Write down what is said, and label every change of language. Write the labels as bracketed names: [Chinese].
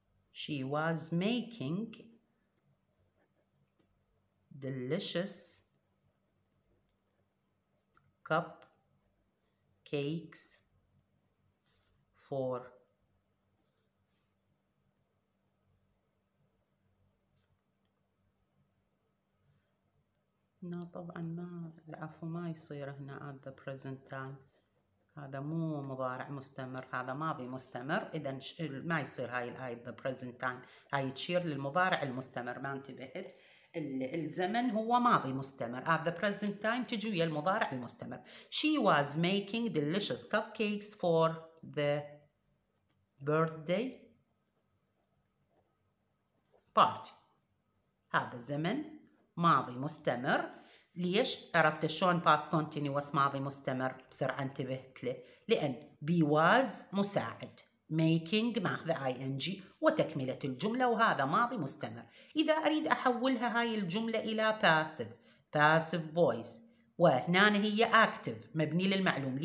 [English] She was making delicious cupcakes for no, [Arabic] طبعا ما العفو ما يصير هنا [English] at the present time. [Arabic] هذا مو مضارع مستمر، هذا ماضي مستمر، إذا ما يصير هاي الآية [English] the present time، [Arabic] هاي تشير للمضارع المستمر. ما انتبهت، الزمن هو ماضي مستمر، [English] at the present time [Arabic] تجي ويا المضارع المستمر. [English] She was making delicious cupcakes for the birthday party. [Arabic] هذا زمن ماضي مستمر. ليش عرفت شلون [English] past continuous [Arabic] ماضي مستمر؟ بسرعة انتبهت له، لأن be was مساعد، making ماخذ ing وتكملة الجملة، وهذا ماضي مستمر. إذا أريد أحولها هاي الجملة إلى [English] passive voice، [Arabic] وهنا هي active مبني للمعلوم.